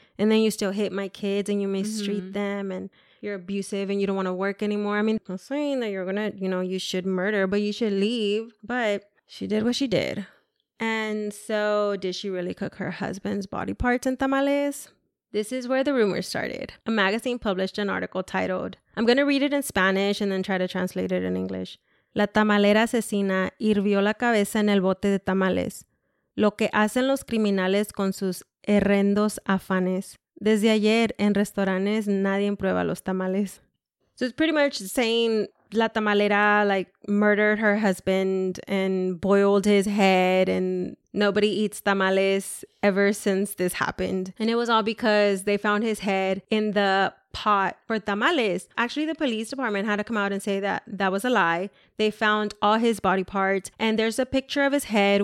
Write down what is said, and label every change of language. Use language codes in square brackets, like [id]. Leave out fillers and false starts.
[en] And then you still hit my kids and you mistreat them and... you're abusive and you don't want to work anymore. I mean, I'm saying that you're going to, you know, you should murder, but you should leave. But she did what she did. And so did she really cook her husband's body parts in tamales? This is where the rumors started. A magazine published an article titled, I'm going to read it in Spanish and then try to translate it in English. [es] La tamalera asesina hirvió la cabeza en el bote de tamales. Lo que hacen los criminales con sus horrendos afanes. Desde ayer, en restaurantes, nadie prueba los tamales. [en] So it's pretty much saying [es] la tamalera, [en] like, murdered her husband and boiled his head and nobody eats tamales ever since this happened. And it was all because they found his head in the pot for tamales. Actually, the police department had to come out and say that that was a lie. They found all his body parts and there's a picture of his head.